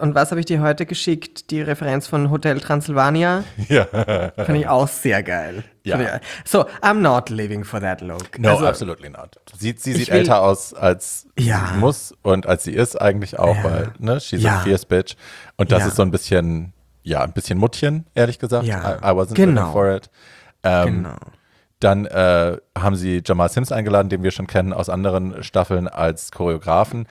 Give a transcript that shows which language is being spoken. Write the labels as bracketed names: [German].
[German] Und was habe ich dir heute geschickt? Die Referenz von Hotel Transylvania. Ja. Finde ich auch sehr geil. Ja. [English] So, I'm not living for that look. No, [German] also, [English] absolutely not. [German] Sie sieht älter aus, als sie muss und als sie ist eigentlich auch, weil, ne, [English] she's a fierce bitch. [German] Und das ist so ein bisschen Muttchen, ehrlich gesagt. Ja. [English] I wasn't living for it. [German] Dann haben sie Jamal Sims eingeladen, den wir schon kennen aus anderen Staffeln als Choreografen.